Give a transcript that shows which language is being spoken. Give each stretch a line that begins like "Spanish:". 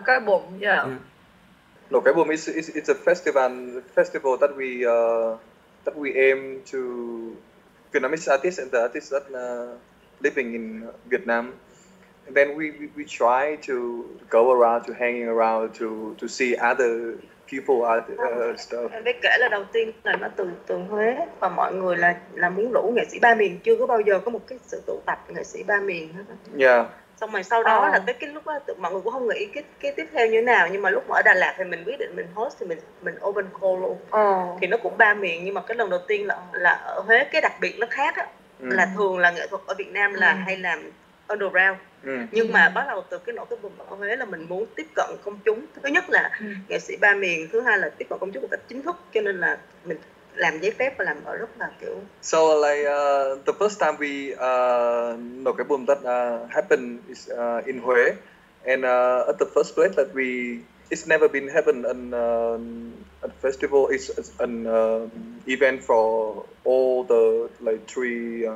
English: Cai Bum, yeah. No Cai Bum is a festival that we aim to Vietnamese artists and the artists that are living in Vietnam. And then we try to go around, to hanging around, to see other people, other stuff.
Vietnamese: Em biết kể là đầu tiên là nó từ từ Huế và mọi người là muốn rủ nghệ sĩ ba miền, chưa có bao giờ có một cái sự tụ tập nghệ sĩ ba miền hết.
English: Yeah.
Vietnamese: Xong rồi sau đó là tới cái lúc đó, mọi người cũng không nghĩ cái tiếp theo như thế nào. Nhưng mà lúc mà ở Đà Lạt thì mình quyết định mình host thì mình open call luôn. Thì nó cũng ba miền, nhưng mà cái lần đầu tiên là ở Huế, cái đặc biệt nó khác á. Là thường là nghệ thuật ở Việt Nam là hay làm underground. Nhưng mà bắt đầu từ cái nỗi cái vùng ở Huế là mình muốn tiếp cận công chúng. Thứ nhất là nghệ sĩ ba miền, thứ hai là tiếp cận công chúng một cách chính thức. Cho nên là mình làm giấy phép và làm ở rất là kiểu.
English: So like the first time we no cái boom that happened is in Huế, and at the first place that we it's never been happened in a festival is an event for all the like three